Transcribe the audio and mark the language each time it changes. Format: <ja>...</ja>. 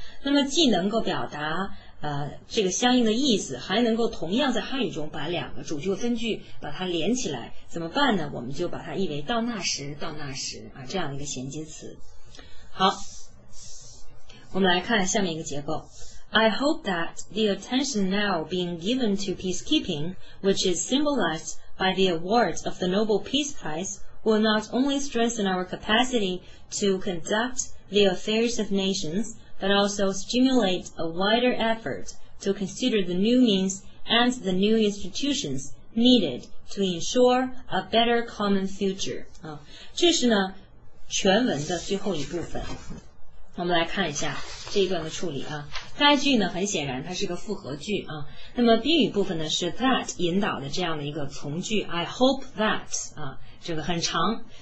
<zh>那么既能够表达这个相应的意思，还能够同样在汉语中把两个主句分句把它连起来，怎么办呢？我们就把它译为到那时，到那时啊，这样一个衔接词。好，我们来看下面一个结构。</zh> <en>I hope that the attention now being given to peacekeeping, which is symbolized by the award of the Nobel Peace Prize, will not only strengthen our capacity to conduct the affairs of nations,but also stimulate a wider effort to consider the new means and the new institutions needed to ensure a better common future.</en> <zh>这是呢全文的最后一部分。我们来看一下这一段的处理啊。该句呢很显然它是个复合句啊。那么宾语部分呢是 that 引导的这样的一个从句</zh> <en>I hope that,</en> <zh>啊这个很长。</zh>